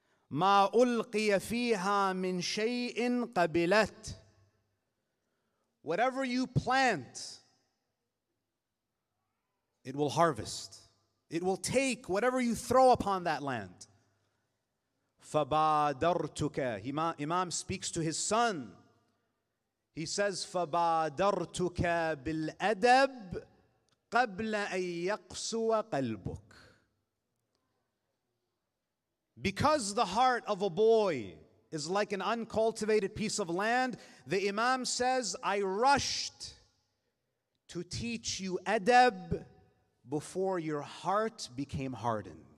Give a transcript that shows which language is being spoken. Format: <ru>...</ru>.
<ar>ما ألقي فيها من شيء قبلت.</ar> <en>Whatever you plant, it will harvest. It will take whatever you throw upon that land.</en> <ar>فَبَادَرْتُكَ</ar> <en>Imam speaks to his son. He says,</en> <ar>فَبَادَرْتُكَ بِالْأَدَبْ قَبْلَ أَن يَقْسُوَ قَلْبُكَ.</ar> <en>Because the heart of a boy is like an uncultivated piece of land, the Imam says, I rushed to teach you adab before your heart became hardened.</en>